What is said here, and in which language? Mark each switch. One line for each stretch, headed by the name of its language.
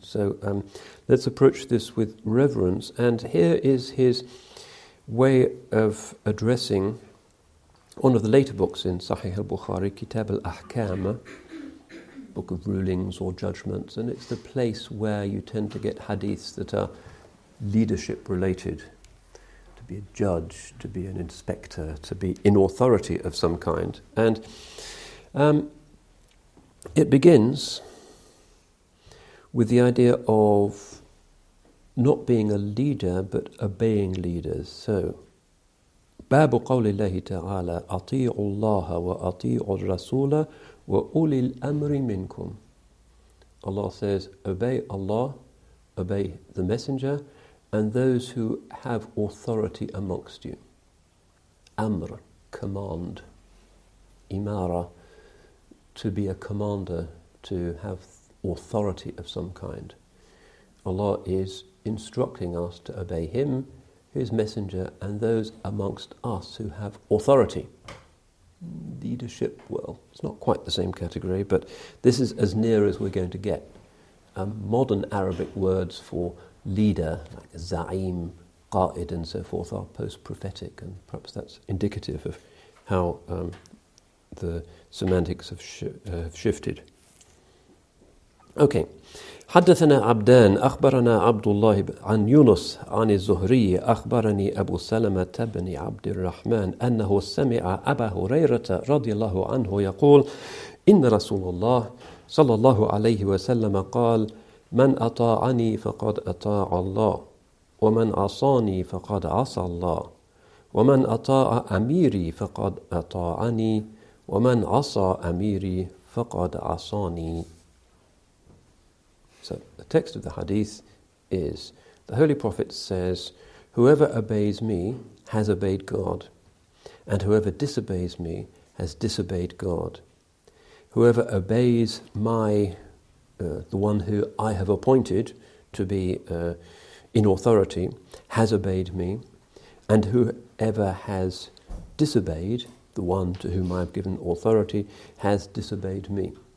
English: So let's approach this with reverence. And here is his way of addressing one of the later books in Sahih al-Bukhari, Kitab al-Ahkam, Book of Rulings or Judgments, and it's the place where you tend to get hadiths that are leadership-related, to be a judge, to be an inspector, to be in authority of some kind. And it begins with the idea of not being a leader, but obeying leaders.
Arabic: So, باب قول الله تعالى أطيعوا الله وأطيعوا الرسول وأولي الأمر منكم.
English: Allah says, obey Allah, obey the messenger, and those who have authority amongst you. Amr, command. Imara, to be a commander, to have authority of some kind. Allah is instructing us to obey him, his messenger, and those amongst us who have authority. Leadership, well, it's not quite the same category, but this is as near as we're going to get. Modern Arabic words for leader, like za'im, qa'id, and so forth, are post-prophetic, and perhaps that's indicative of how the semantics have shifted. Okay.
Arabic: حدثنا عبدان أخبرنا عبد الله عن يونس عن الزهري أخبرني أبو سلمة بن عبد الرحمن أنه سمع أبا هريرة رضي الله عنه يقول إن رسول الله صلى الله عليه وسلم قال من أطاعني فقد أطاع الله ومن عصاني فقد عصى الله ومن أطاع أميري فقد أطاعني ومن عصى أميري فقد عصاني.
English: So the text of the hadith is, the Holy Prophet says, whoever obeys me has obeyed God, and whoever disobeys me has disobeyed God. Whoever obeys my, the one who I have appointed to be in authority, has obeyed me, and whoever has disobeyed, the one to whom I have given authority, has disobeyed me.